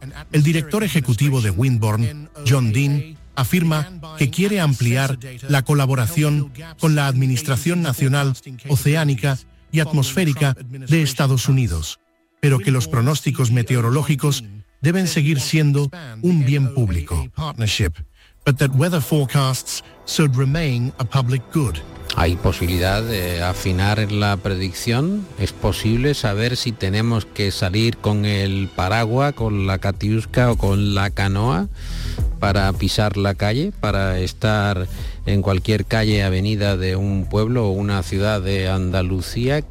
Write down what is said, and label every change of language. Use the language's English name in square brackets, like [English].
[Spanish] El director ejecutivo de Windborne, John Dean, afirma que quiere ampliar la colaboración con la Administración Nacional Oceánica y Atmosférica de Estados Unidos, pero que los pronósticos meteorológicos deben seguir siendo un bien público. [English] But that weather forecasts should remain a public good. [Spanish] ¿Hay posibilidad de afinar la predicción? ¿Es posible saber si tenemos que salir con el paraguas, con la catiusca o con la canoa para pisar la calle, para estar en cualquier calle, avenida de un pueblo o una ciudad de Andalucía?